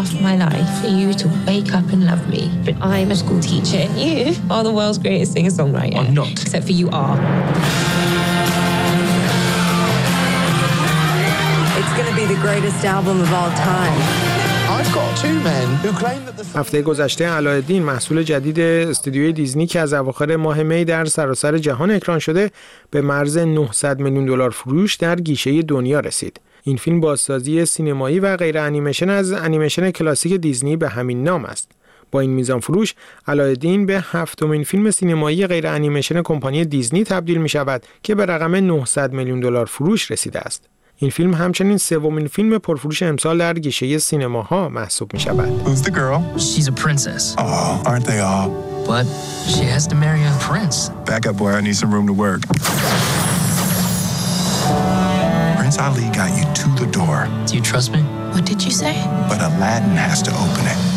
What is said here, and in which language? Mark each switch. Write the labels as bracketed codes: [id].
[en] My life for you to wake up and love me. But I'm a school teacher and you are the world's greatest singer-songwriter. I'm not. Except for you are. It's gonna be the greatest album of all time. [fa] هفته گذشته علاءالدین محصول جدید استودیوی دیزنی که از اواخر ماه می در سراسر جهان اکران شده به مرز 900 میلیون دلار فروش در گیشه دنیا رسید. این فیلم بازسازی سینمایی و غیر انیمیشن از انیمیشن کلاسیک دیزنی به همین نام است. با این میزان فروش علاءالدین به هفتمین فیلم سینمایی غیر انیمیشن کمپانی دیزنی تبدیل می شود که به رقم 900 میلیون دلار فروش رسیده است. این فیلم همچنین سومین فیلم پرفروش امسال در گیشه سینماها محسوب می شود. [en] Who's the girl? She's a princess. Oh, aren't they all? But she has to marry a prince. Back up, boy. I need some room to work. Prince Ali got you to the door. Do you trust me? What did you say? But Aladdin has to open it.